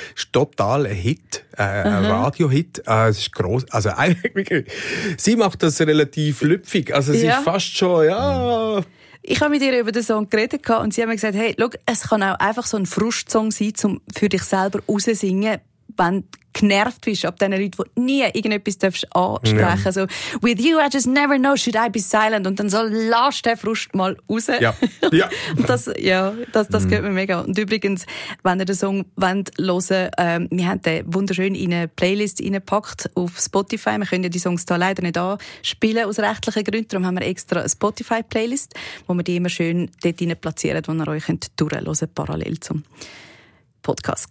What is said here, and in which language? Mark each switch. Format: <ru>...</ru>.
<de>Es ist total ein Hit, ein Radio-Hit. Es ist gross, also eigentlich, sie macht das relativ lüpfig, also es ist fast schon, Ich habe mit ihr über den Song geredet und sie hat mir gesagt, hey, schau, es kann auch einfach so ein Frustsong sein, um für dich selber raussingen, wenn du genervt bist ab diesen Leuten, die nie irgendetwas ansprechen darfst.</de> <en>Ja. So, with you, I just never know, should I be silent?</en> <de>Und dann so, lass den Frust mal raus. Ja. Und das gehört mir mega. Und übrigens, wenn ihr den Song wollt hören, wir haben den wunderschön in eine Playlist reingepackt auf Spotify. Wir können ja die Songs da leider nicht anspielen, aus rechtlichen Gründen. Darum haben wir extra eine Spotify-Playlist, wo wir die immer schön dort rein platzieren, wo ihr euch durchhören könnt, parallel zum Podcast.</de>